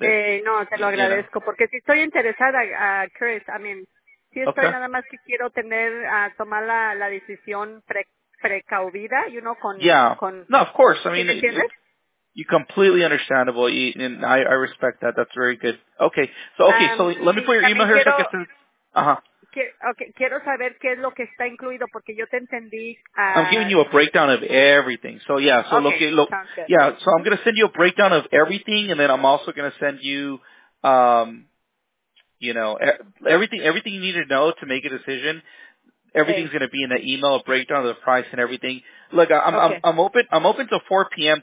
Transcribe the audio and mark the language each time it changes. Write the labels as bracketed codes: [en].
[es] No, te lo agradezco, porque si estoy interesada, Chris, [en] I mean, [es] si estoy nada más que quiero tener, tomar la decisión precaudida, you know, con... [en] No, of course, I mean, you completely understandable, and I respect that, that's very good. Okay, so let me put your email here, [es] quiero saber qué es lo que está incluido porque yo te entendí. [en] I'm giving you a breakdown of everything. So yeah, so okay, so I'm going to send you a breakdown of everything, and then I'm also going to send you everything you need to know to make a decision. Everything's going to be in the email, a breakdown of the price and everything. Look, I'm open till 4 p.m.